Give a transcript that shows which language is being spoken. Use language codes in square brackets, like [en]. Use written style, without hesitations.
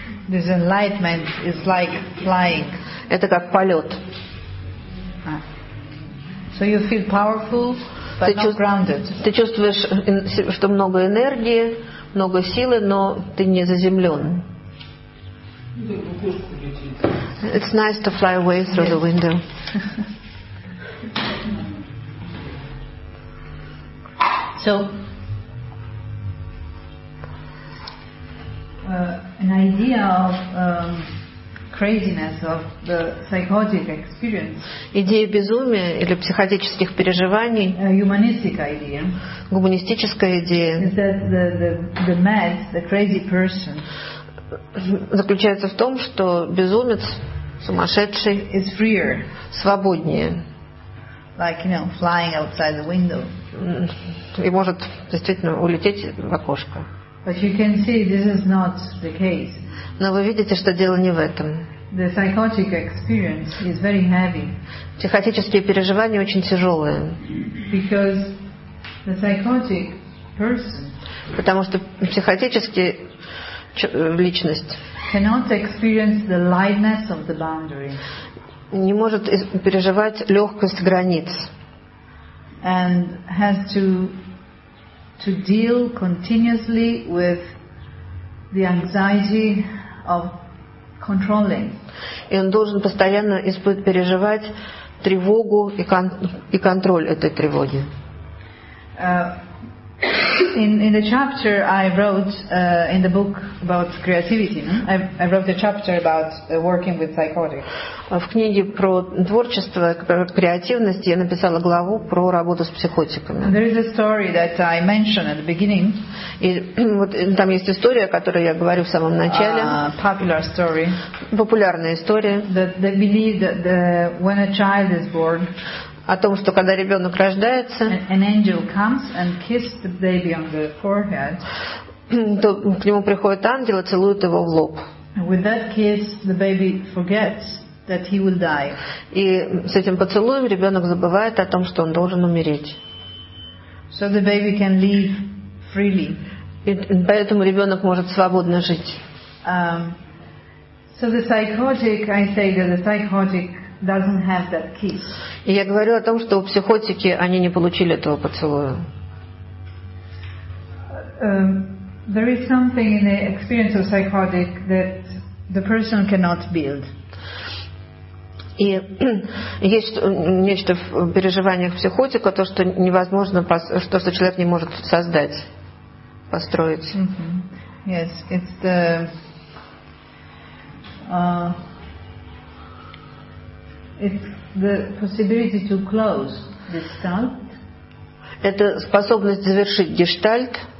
[en] This enlightenment is like flying. [ru] Это как полет. [en] So you feel powerful, but not grounded. [ru] Ты чувствуешь, что много энергии, много силы, но ты не заземлен. [en] It's nice to fly away through the window. So, an idea of craziness of the psychotic experience. [ru] Идея безумия или психотических переживаний. [en] A humanistic idea. [ru] Гуманистическая идея. [en] Is that the mad, the crazy person? [ru] Заключается в том, что безумец, сумасшедший, [en] is freer, [ru] свободнее, [en] like, you know, flying outside the window, [ru] и может действительно улететь в окошко. [en] But you can see this is not the case. [ru] Но вы видите, что дело не в этом. [en] The psychotic experience is very heavy. [ru] Психотические переживания очень тяжелые. [en] Because the psychotic person, [ru] потому что психотически личность [en] cannot experience the lightness of the boundary. [ru] Не может переживать легкость границ. [en] And has to deal continuously with the anxiety of controlling. [ru] И он должен постоянно испытывать переживать тревогу и контроль этой тревоги. [en] In the chapter I wrote in the book about creativity, I wrote a chapter about working with psychotic. [ru] В книге про творчество, про креативность я написала главу про работу с психотиками. [en] There is a story that I mentioned at the beginning. [ru] И вот там есть история, о которой я говорю в самом начале. [en] Popular story. [ru] Популярная история. [en] That they believe that when a child is born. [ru] О том, что когда ребенок рождается, [en] an angel comes and kisses the baby on the forehead, [ru] то к нему приходит ангел и целует его в лоб. [en] With that kiss, the baby forgets that he will die. [ru] И с этим поцелуем ребенок забывает о том, что он должен умереть. [en] So the baby can live freely. [ru] И поэтому ребенок может свободно жить. [en] So the psychotic, I say that the psychotic doesn't have that kiss. [ru] И я говорю о том, что у психотики они не получили этого поцелуя. [en] There is something in the experience of psychotic that the person cannot build. [ru] И есть нечто в переживаниях психотика, то, что невозможно, то, что человек не может создать, построить. Mm-hmm. [en] Yes, it's the it's the possibility to close gestalt. [ru] Это способность завершить гештальт.